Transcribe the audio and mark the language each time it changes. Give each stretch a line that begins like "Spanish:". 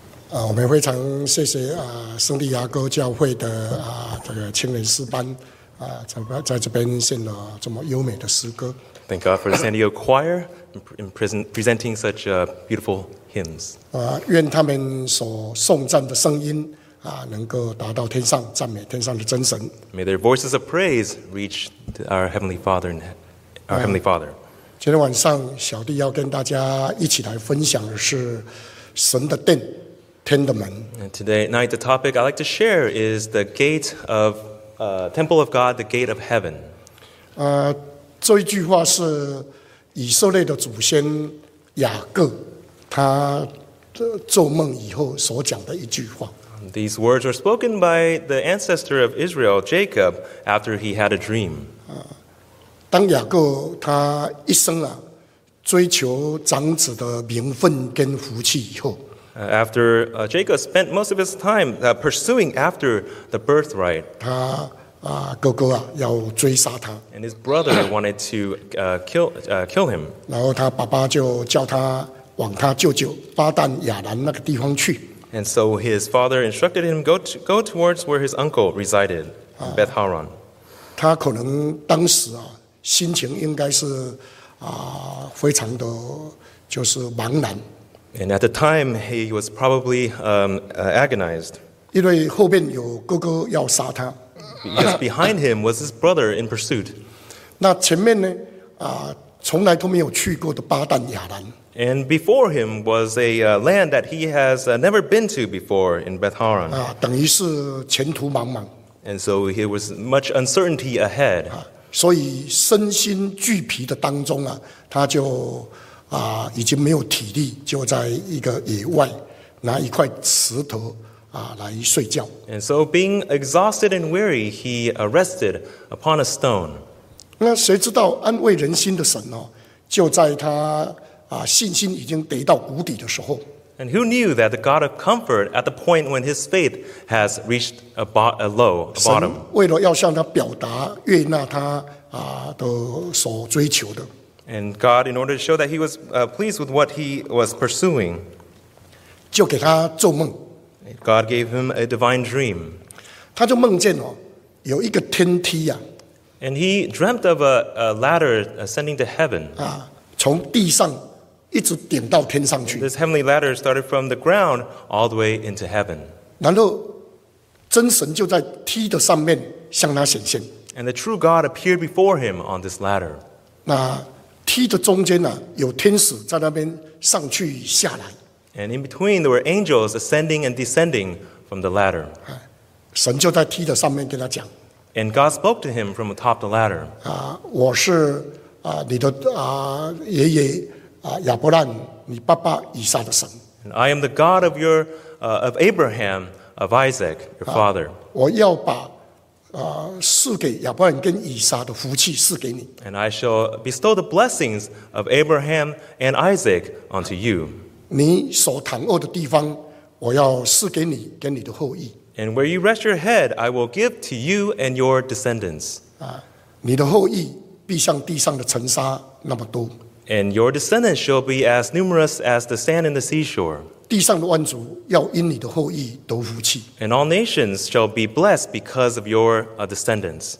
Chinese: 我们非常谢谢圣地亚哥教会的这个青年诗班在这边献了这么优美的诗歌。
English: Thank God for the San Diego Choir in presenting such beautiful hymns.
Chinese: 愿他们所颂赞的声音能够达到天上，赞美天上的真神。
English: May their voices of praise reach our Heavenly Father and our Heavenly Father.
Chinese: 今天晚上小弟要跟大家一起来分享的是神的殿。
English: And today night, the topic I'd like to share is the gate of temple of God, the gate of heaven.
Chinese: 这一句话是以色列的祖先雅各他做梦以后所讲的一句话。
English: These words were spoken by the ancestor of Israel, Jacob, after he had a dream.
Chinese: 当雅各他一生追求长子的名分跟福气以后。
English: After Jacob spent most of his time pursuing after the birthright,
Chinese: 他哥哥要追杀他
English: ，and his brother wanted to kill him.
Chinese: 然后他爸爸就叫他往他舅舅巴旦亚兰那个地方去。
English: And so his father instructed him go towards where his uncle resided, Beth Haran.
Chinese: 他可能当时心情应该是非常的就是茫然。
English: And at the time, he was probably agonized.
Chinese: 因为后面有哥哥要杀他。
English: Because behind him was his brother in pursuit.
Chinese: 那前面呢？从来都没有去过的巴旦亚兰。
English: And before him was a land that he has never been to before in Beth Haran.
Chinese: 等于是前途茫茫。
English: And so he was much uncertainty ahead.
Chinese: 所以身心俱疲的当中他就。已经没有体力，就在一个野外拿一块石头来睡觉。
English: And so, being exhausted and weary, he rested upon a stone.
Chinese: 那谁知道安慰人心的神就在他信心已经跌到谷底的时候。
English: And who knew that the God of comfort at the point when his faith has reached a low, a bottom?
Chinese: 神为了要向他表达悦纳他的所追求的。
English: And God, in order to show that he was pleased with what he was pursuing,
Chinese: 就给他做梦。
English: God gave him a divine dream.
Chinese: 他就梦见有一个天梯。
English: And he dreamt of a ladder ascending to heaven.
Chinese: 从地上一直顶到天上去。
English: This heavenly ladder started from the ground all the way into heaven.
Chinese: 然后真神就在梯的上面向他显现。
English: And the true God appeared before him on this ladder.
Chinese: 那梯的中间有天使在那边上去下来。
English: And in between, there were angels ascending and descending from the ladder.
Chinese: 神就在梯的上面跟他讲。
English: And God spoke to him from atop the ladder.
Chinese: 我是你的爷爷亚伯兰，你爸爸以撒的神。
English: And I am the God of your of Abraham, of Isaac, your father.
Chinese: 我要把赐给亚伯兰跟以撒的福气赐给你。
English: And I shall bestow the blessings of Abraham and Isaac unto you.
Chinese: 你所躺卧的地方，我要赐给你跟你的后裔。
English: And where you rest your head, I will give to you and your descendants.
Chinese: 你的后裔必像地上的尘沙那么多。
English: And your descendants shall be as numerous as the sand in the seashore.
Chinese: 地上的万族要因你的后裔得福气。
English: And all nations shall be blessed because of your descendants.